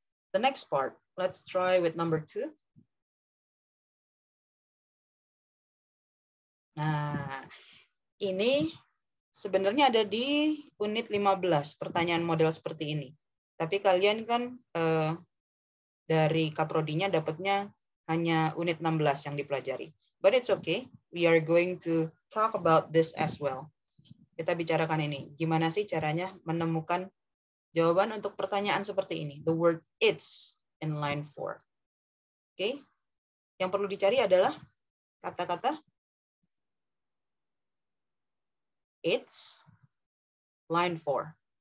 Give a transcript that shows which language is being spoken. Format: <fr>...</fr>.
<en>The next part, let's try with number two.</en> <id>Nah, ini sebenarnya ada di unit 15, pertanyaan model seperti ini. Tapi kalian kan dari kaprodinya dapatnya hanya unit 16 yang dipelajari.</id> <en>But it's okay, we are going to talk about this as well.</en> <id>Kita bicarakan ini, gimana sih caranya menemukan jawaban untuk pertanyaan seperti ini,</id> <en>the word it's in line four.</en> <id>Okay. Yang perlu dicari adalah kata-kata it's line four.</id>